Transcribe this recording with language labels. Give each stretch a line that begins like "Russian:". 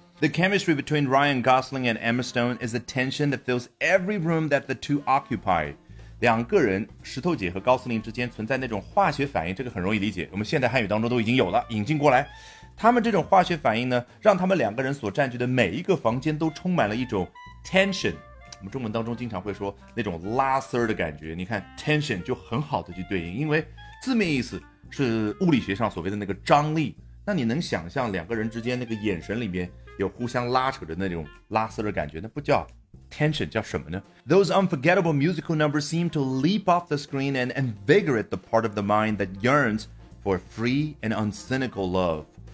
English: The chemistry between Ryan Gosling and Emma Stone is a tension that fills every room that the two occupy。
Chinese: 两个人石头姐和高司令之间存在那种化学反应，这个很容易理解，我们现代汉语当中都已经有了引进过来。他们这种化学反应呢，让他们两个人所占据的每一个房间都充满了一种 tension。我们中文当中经常会说那种拉丝的感觉，你看 tension 就很好的去对应，因为字面意思是物理学上所谓的那个张力。那你能想象两个人之间那个眼神里面有互相拉扯着那种拉丝的感觉，那不叫 tension， 叫什么呢？
English: Those unforgettable musical numbers seem to leap off the screen and invigorate the part of the mind that yearns for free and uncynical love。